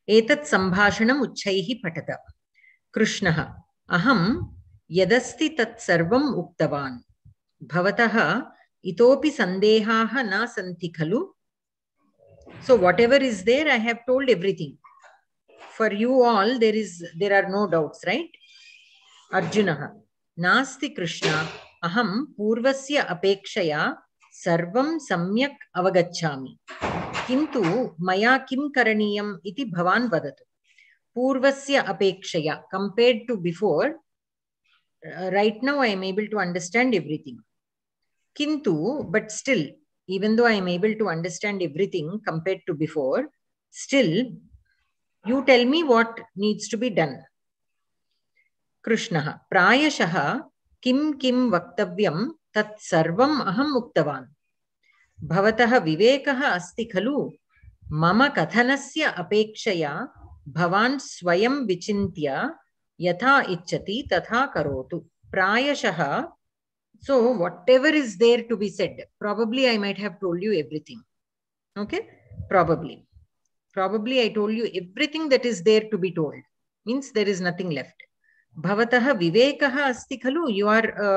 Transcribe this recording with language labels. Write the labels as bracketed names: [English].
[Sanskrit] Etat sambhashanam ucchaihi patata. Krishnaha, aham yadasti tat sarvam uktavan. Bhavataha itopi sandehaha na santi khalu. [English] So, whatever is there, I have told everything. For you all, there are no doubts, right? [Sanskrit] అర్జునః నాస్తి కృష్ణ అహం పూర్వస్య అపేక్షయా సర్వం సమ్యక్ అవగచ్ఛామి కింతు మయా కిం కరణీయం ఇతి భవాన్ వదతు. పూర్వస్య అపేక్షయా [English] Compared to before right now I am able to understand everything. [Sanskrit] కింతు [English] But still even though I am able to understand everything compared to before still you tell me what needs to be done. [Sanskrit] కృష్ణః ప్రాయశః కిం కిం వక్తవ్యం తత్ సర్వం అహం ఉక్తవాన్. భవతః వివేకః అస్తి ఖలు मम कथनस्य अपेक्षया भवान् स्वयं विचिन्त्य यथा इच्छति तथा करोतु प्रायशः [English] so whatever is there to be said probably I might have told you everything okay probably I told you everything that is there to be told means there is nothing left [Sanskrit] भवतः विवेकः अस्ति खलु [English] you are